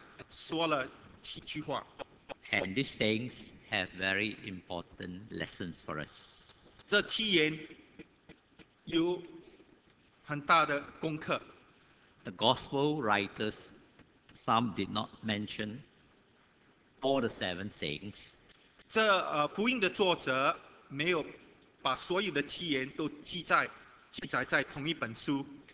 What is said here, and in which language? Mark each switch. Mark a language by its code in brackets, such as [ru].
[zh] 耶稣他死之前在十字架上说了七句话。 [en] And these sayings have very important lessons for us. [zh] 这七言有很大的功课。 [en] The gospel writers, some did not mention all the seven sayings. [zh] 这福音的作者没有把所有的七言都记载在同一本书。